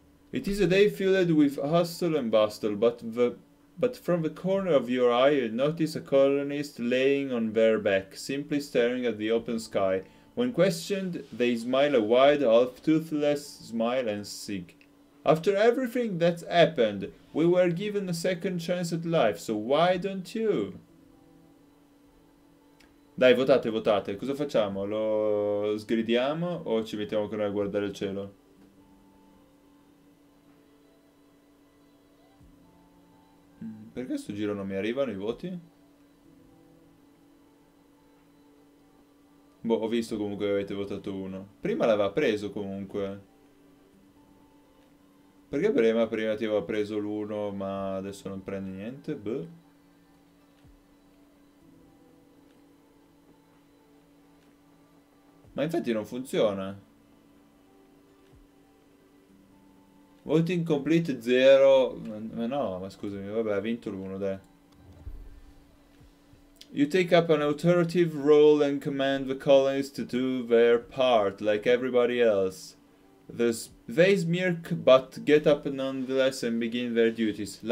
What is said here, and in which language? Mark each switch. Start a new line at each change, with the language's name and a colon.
English: It is a day filled with hustle and bustle, but from the corner of your eye you notice a colonist laying on their back, simply staring at the open sky. When questioned, they smile a wide, half-toothless smile and sing. After everything that's happened, we were given a second chance at life, so why don't you?
Italian: Dai, votate, votate. Cosa facciamo? Lo sgridiamo o ci mettiamo con noi a guardare il cielo? Perché sto giro non mi arrivano i voti? Boh, ho visto comunque che avete votato uno. Prima l'aveva preso comunque. Perché prima ti aveva preso l'uno, ma adesso non prende niente? Boh. Ma infatti non funziona.
English: Voting complete 0.
Italian: Ma no, ma scusami, vabbè, ha vinto l'uno, dai.
English: You take up an authoritative role and command the colonists to do their part, like everybody else. They smirk, but get up nonetheless and begin their duties.